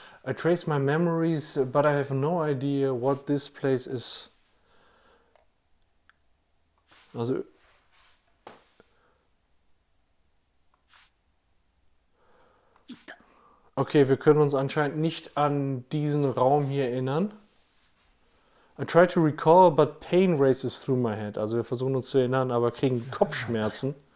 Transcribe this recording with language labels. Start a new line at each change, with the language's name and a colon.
English: I trace my memories, but I have no idea what this place is.
German: Also, okay, wir können uns anscheinend nicht an diesen Raum hier erinnern.
English: I try to recall, but pain races through my head.
German: Also wir versuchen uns zu erinnern, aber kriegen Kopfschmerzen.